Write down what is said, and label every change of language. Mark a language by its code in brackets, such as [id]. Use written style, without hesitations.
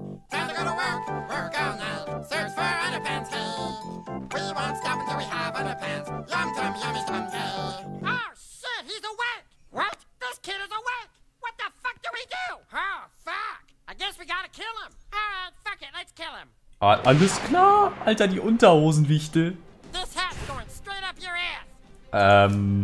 [en] Time to go to work, work all night. Search for underpants, hey. We won't stop until we have underpants. Yum, yum, yummy, tum, hey. Oh, shit, he's awake! What? This kid is awake! What the fuck do we do? Oh, fuck. I guess we gotta kill him. All right, fuck it, let's kill him. [de] Alles klar, Alter, die Unterhosenwichte. [en] This hat's going straight up your ass.